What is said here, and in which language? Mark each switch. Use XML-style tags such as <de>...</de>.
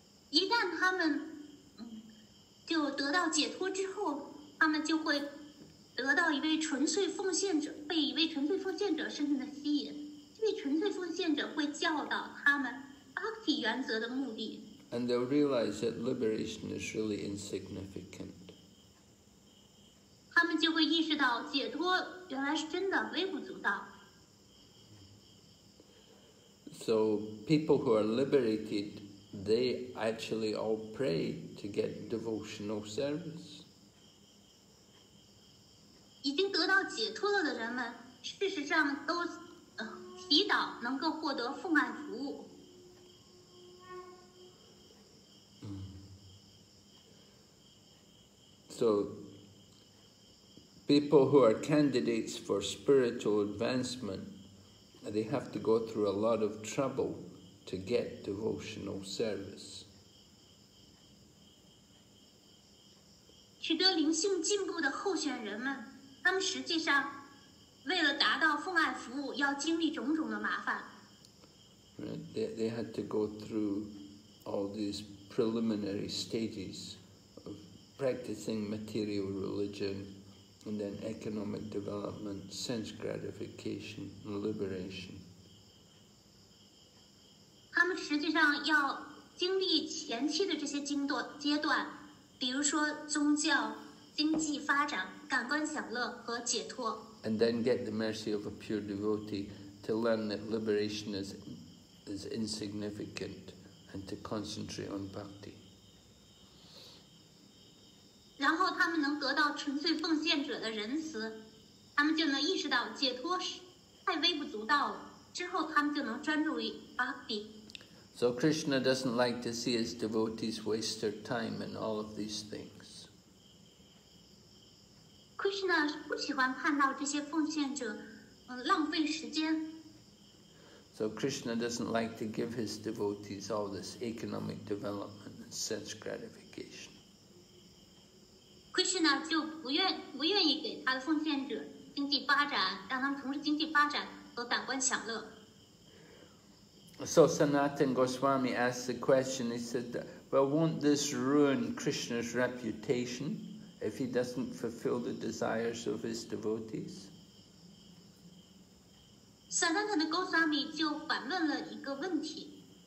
<zh>一旦他们就得到解脱之后，他们就会得到一位纯粹奉献者，被一位纯粹奉献者深深的吸引。这位纯粹奉献者会教导他们bhakti 原则的目的。</zh> <en>And they'll realize that liberation is really insignificant.</en> <zh>他们就会意识到解脱原来是真的微不足道。</zh> <en>So people who are liberated, they actually all pray to get devotional service.</en> <zh>已经得到解脱了的人们，事实上都祈祷能够获得奉爱服务。</zh> <en>So, people who are candidates for spiritual advancement, they have to go through a lot of trouble to get devotional service.</en> <zh>取得灵性进步的候选人们。他们实际上为了达到奉爱服务要经历种种的麻烦。</zh> <en>Right. They had to go through all these preliminary stages of practicing material religion and then economic development, sense gratification, liberation.</en> <zh>他们实际上要经历前期的这些阶段，比如说宗教、经济发展、感官享乐和解脱。</zh> <en>And then get the mercy of a pure devotee to learn that liberation is insignificant and to concentrate on bhakti.</en> <zh>然后他们能得到纯粹奉献者的仁慈，他们就能意识到解脱是太微不足道了，之后他们就能专注于 bhakti。</zh> <en>So Krishna doesn't like to see his devotees waste their time in all of these things.</en> <zh>Krishna 不喜欢看到这些奉献者浪费时间。</zh> <en>So Krishna doesn't like to give his devotees all this economic development and sense gratification.</en> <zh>Krishna 就不愿意给他的奉献者经济发展，让他们从事经济发展和感官享乐。</zh> <en>So Sanatan Goswami asked the question. He said, "Well, won't this ruin Krishna's reputation?" If he doesn't fulfill the desires of his devotees?</en> <zh>Sanatana Goswami 就反问了一个问题。</zh>